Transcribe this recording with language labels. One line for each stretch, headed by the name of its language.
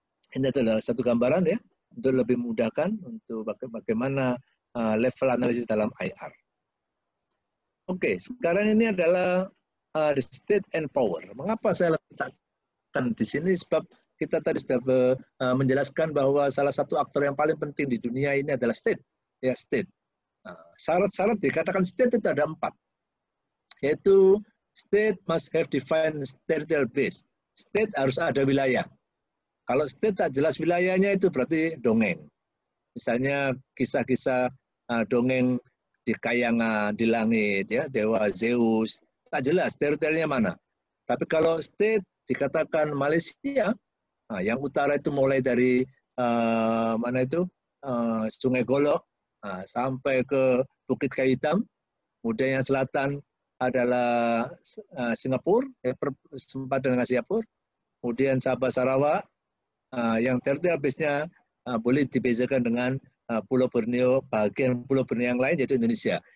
Malay: Ini adalah satu gambaran ya, untuk lebih mudahkan untuk bagaimana level analisis dalam IR. Oke, sekarang ini adalah
English: the state and power.
Malay: Mengapa saya letakkan di sini? Sebab kita tadi sudah menjelaskan bahwa salah satu aktor yang paling penting di dunia ini adalah state. Ya, state. Syarat-syarat dikatakan state itu ada empat.
English: Yaitu state must have defined territorial base.
Malay: State harus ada wilayah. Kalau state tak jelas wilayahnya itu berarti dongeng. Misalnya kisah-kisah dongeng di kayangan, di langit, ya, Dewa Zeus. Tak jelas teritorialnya mana. Tapi kalau state dikatakan Malaysia, nah, yang utara itu mulai dari mana itu Sungai Golok sampai ke Bukit Kayu Hitam, kemudian yang selatan adalah Singapura, sempadan dengan Singapura, kemudian Sabah Sarawak, yang territorial base-nya boleh dibezakan dengan Pulau Borneo, bagian Pulau Borneo yang lain yaitu Indonesia.